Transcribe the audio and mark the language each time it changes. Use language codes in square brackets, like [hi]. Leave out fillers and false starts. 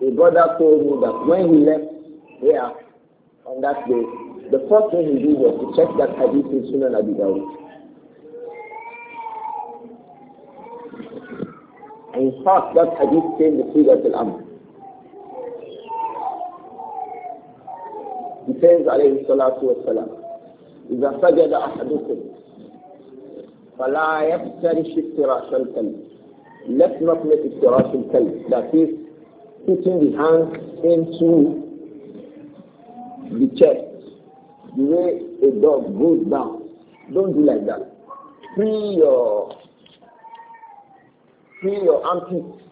[en] The brother told me that when he left here on that day, the first thing he did was to check that hadith in Sunan Abi Dawud. And in fact, that hadith came the Sirat al-Amr. He says, [ar] alayhi salatu wa salam, إِذَا سَجَدَ أَحَدُكُمْ فَلَا يَفْتَرِشِ افْتِرَاشَ الْكَلْبِ. [en] Let's not make [ar] افْتِرَاشَ الْكَلْبِ. [en] That is, putting the hands into the chest, the way a dog goes down. Don't do like that. Free your armpit.